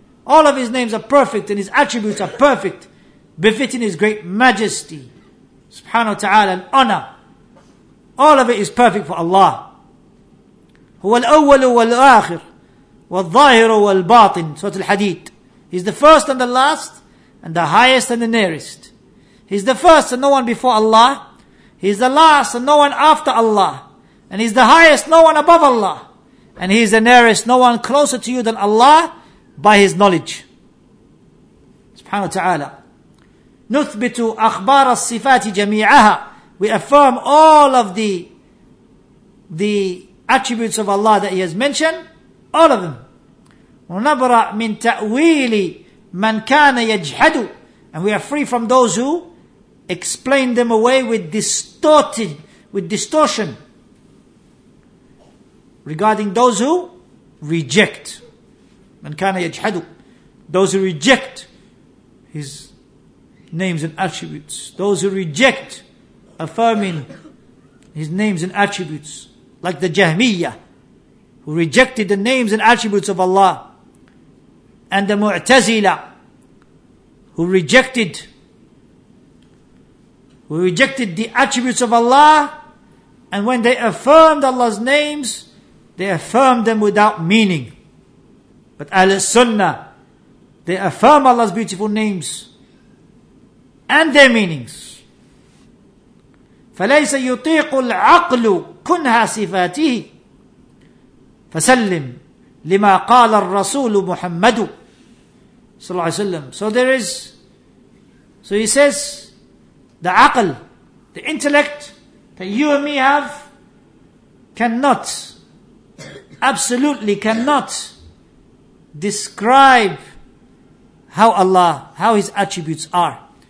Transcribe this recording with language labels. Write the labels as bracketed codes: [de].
[en] All of his names are perfect and his attributes are perfect, befitting his great majesty, subhanahu wa ta'ala, and honor. All of it is perfect for Allah. [ar] هو الأول والآخر والظاهر والباطن. [en] Surah Al-Hadid. He's the first and the last, and the highest and the nearest. He's the first and no one before Allah. He's the last and no one after Allah. And He's the highest, no one above Allah. And He's the nearest, no one closer to you than Allah by His knowledge. Subhanahu wa ta'ala. [ar] نُثْبِتُ أَخْبَارَ الصِّفَاتِ جَمِيعَهَا. [en] We affirm all of the attributes of Allah that He has mentioned. All of them. [ar] وَنَبْرَ مِنْ تَأْوِيلِ مَنْ كَانَ يَجْحَدُ. [en] And we are free from those who explain them away with distortion regarding those who reject. [ar] من كان يجحد. [en] Those who reject His names and attributes. Those who reject affirming His names and attributes. Like the Jahmiyyah, who rejected the names and attributes of Allah. And the Mu'tazila, who rejected the attributes of Allah, and when they affirmed Allah's names, they affirmed them without meaning. But Ahl-Sunnah, they affirm Allah's beautiful names and their meanings. [ar] فليس يطيق العقل كنها صفاته فسلم لما قال الرسول محمد صلى الله عليه وسلم. [en] So he says, the aql, the intellect that you and me have, cannot, absolutely cannot describe how Allah, how His attributes are.